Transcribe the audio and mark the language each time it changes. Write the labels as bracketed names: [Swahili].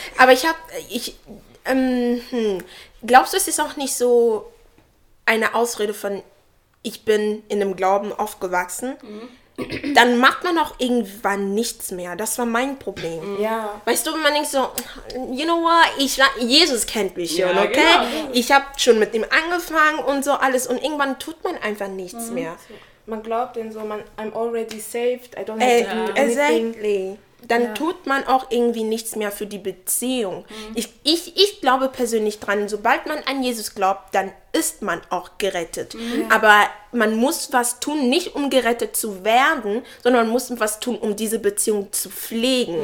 [German] aber glaubst du, es ist auch nicht so eine Ausrede von, ich bin in dem Glauben aufgewachsen? Dann macht man auch irgendwann nichts mehr. Das war mein Problem. Weißt du, man denkt so, [English] you know what, [German] Jesus kennt mich schon, okay? Ich habe schon mit ihm angefangen und so alles. Und irgendwann tut man einfach nichts mehr. Man glaubt denn so, [English] I'm already saved, I don't have to do anything. [German] Dann tut man auch irgendwie nichts mehr für die Beziehung. Ich glaube persönlich dran, sobald man an Jesus glaubt, dann ist man auch gerettet. Aber man muss was tun, nicht um gerettet zu werden, sondern man muss was tun, um diese Beziehung zu pflegen.